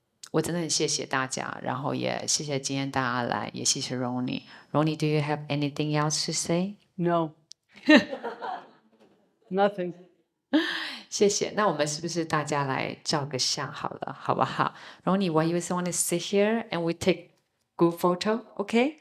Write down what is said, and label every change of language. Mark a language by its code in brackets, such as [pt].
[zh] 我真的很谢谢大家，然后也谢谢今天大家来，也谢谢 Roni。 [en] Roni， do you have anything else to say？ No， nothing。 [zh] 谢谢，那我们是不是大家来照个相好了，好不好？ [en] Roni， why you want to sit here and we take good photo, okay?